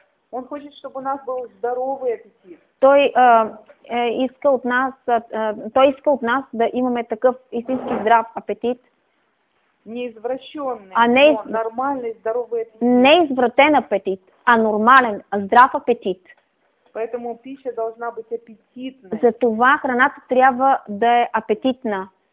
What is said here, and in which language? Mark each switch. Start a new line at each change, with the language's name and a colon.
Russian: Он
Ukrainian: хоче, щоб
Russian: у нас был здоровый аппетит.
Bulgarian: Той иска от нас, той иска от нас да имаме такъв истински здрав апетит.
Russian: Не извращенный,
Bulgarian: а не
Russian: нормальный, здоровый аппетит.
Bulgarian: Не извратен аппетит, а нормален, здрав аппетит.
Russian: Поэтому пища должна быть аппетитной.
Bulgarian: Затова храната трябва да е апетитна.